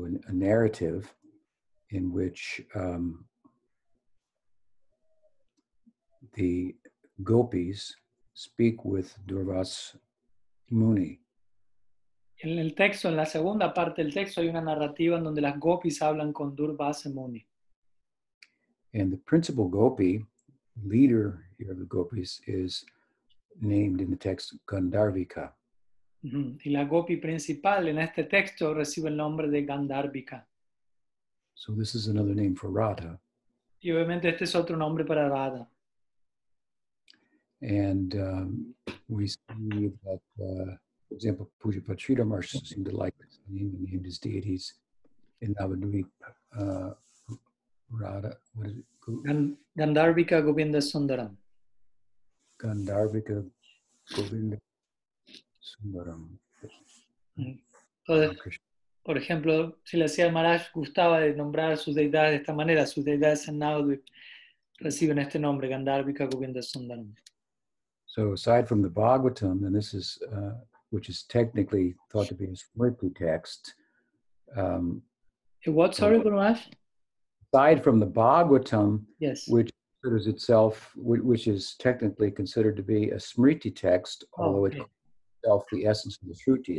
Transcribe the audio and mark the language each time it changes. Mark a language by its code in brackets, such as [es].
[en] narrative in which the gopis speak with Durvas Muni. [es] En el texto, en la segunda parte del texto, hay una narrativa en donde las gopis hablan con Durvas Muni. [en] And the principal gopi, leader here of the gopis, is named in the text Gandharvika. Mm-hmm. [es] Y la gopi principal en este texto recibe el nombre de Gandharvika. [en] So this is another name for Radha. [es] Y obviamente este es otro nombre para Radha. [en] And we see that, for example, Pujapati Sridhar seemed to like this name and named his deities in Navadvip. Radha, what is it? Gandharvika Govinda Sundaram. Gandharvika Govinda Sundaram. [es] Por ejemplo, si le decía Maharaj, gustaba de nombrar sus deidades de esta manera, sus deidades en Navadvip reciben este nombre, Gandharvika Govinda Sundaram. [en] So aside from the Bhagavatam, and this is, which is technically thought to be a Smriti text. Aside from the Bhagavatam, yes, which considers itself, which is technically considered to be a Smriti text, although it calls itself the essence of the Shruti.